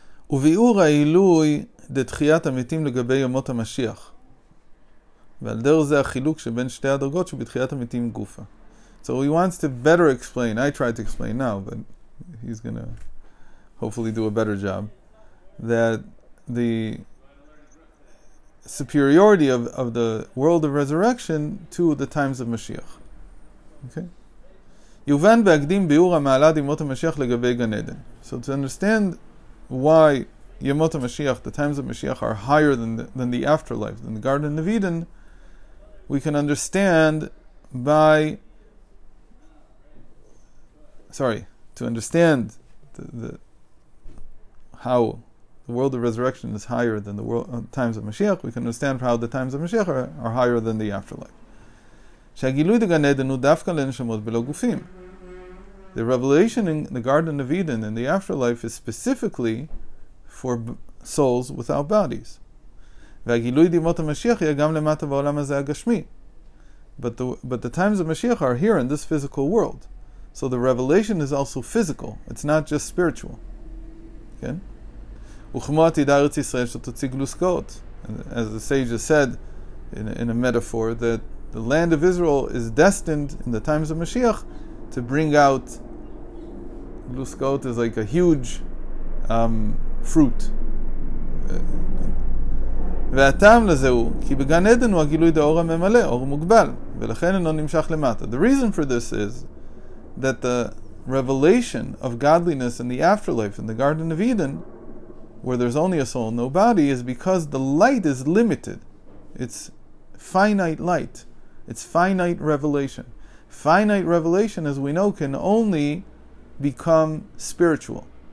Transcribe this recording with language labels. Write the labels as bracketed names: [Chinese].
[Hebrew] וביאור העילוי דתחיית המתים לגבי ימות המשיח. ועל דר זה החילוק שבין שתי הדרגות שבתחיית המתים גופה. [English] So he wants to better explain. I tried to explain now, but he's going to hopefully do a better job. That the superiority of the world of resurrection to the times of Mashiach. Okay? [Hebrew] יובן בהקדים ביאור המעלה דימות המשיח לגבי גן עדן. [English] So to understand why [Hebrew] ימות המשיח, [English] the times of Mashiach, are higher than the afterlife, than the Garden of Eden, we can understand by... Sorry, to understand how the world of resurrection is higher than the world times of Mashiach, we can understand how the times of Mashiach are higher than the afterlife. [Hebrew] שהגילוי דגן עדן הוא דווקא לנשמות בלא גופים. [English] The revelation in the Garden of Eden in the afterlife is specifically for souls without bodies. [Hebrew] והגילוי דימות המשיח יהיה גם למטה בעולם הזה הגשמי. [English] But the times of Mashiach are here in this physical world. So the revelation is also physical. It's not just spiritual. [Hebrew] כן? וכמו עתידה ארץ ישראל שתוציא גלוסקאות. [English] As the sages said in a metaphor, that the land of Israel is destined in the times of Mashiach to bring out... Gluskot is like a huge fruit. [Hebrew] והטעם לזה הוא, כי בגן עדן הוא הגילוי דאור הממלא, אור מוגבל, ולכן אינו נמשך למטה. [English] The reason for this is that the revelation of godliness in the afterlife in the Garden of Eden, where there's only a soul, no body, is because the light is limited. It's finite light. It's finite revelation. Finite revelation, as we know, can only become spiritual.